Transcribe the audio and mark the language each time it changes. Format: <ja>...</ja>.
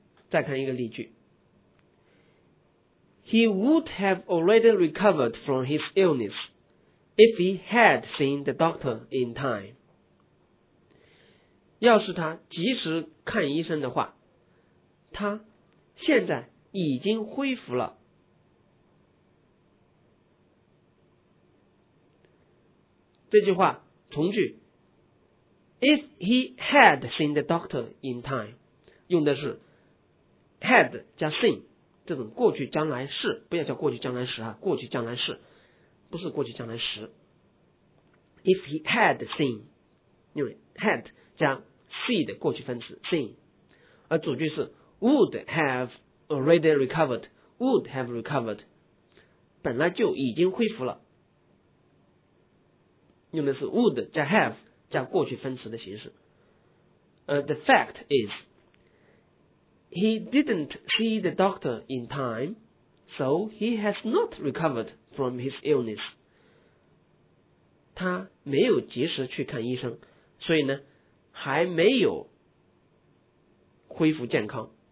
<zh>再看一个例句，</zh> <en>He would have already recovered from his illness if he had seen the doctor in time。</en> <zh>要是他及时看医生的话，他现在已经恢复了。这句话从句</zh> <en>If he had seen the doctor in time</en> <zh>用的是 had 加 seen，这种过去将来式，不要叫过去将来时啊，过去将来式，不是过去将来时。</zh> <en>If he had seen，</en> <zh>因为 had 加 see 的过去分词 seen， 而主句是</zh> <en>would have already recovered， would have recovered，</en> <zh>本来就已经恢复了，用的是 would 加 have 加过去分词的形式。</zh> <en>The fact is。 He didn't see the doctor in time, so he has not recovered from his illness.</en> <zh>他没有及时去看医生，所以呢，还没有恢复健康。</zh>